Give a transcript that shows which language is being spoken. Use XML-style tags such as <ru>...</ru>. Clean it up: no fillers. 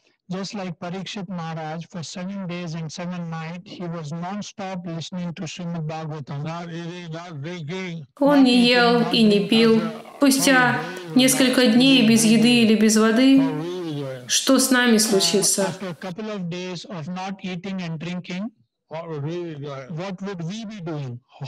<en>Just like Parikshit Maharaj, for 7 days and 7 nights, he was non-stop listening to Srimad Bhagavatam. Not eating, not drinking.</en> <ru>Он не ел и не пил, спустя несколько дней без еды или без воды. Что с нами случится?</ru> <en>After a couple of days of not eating and drinking, what would we be doing?</en>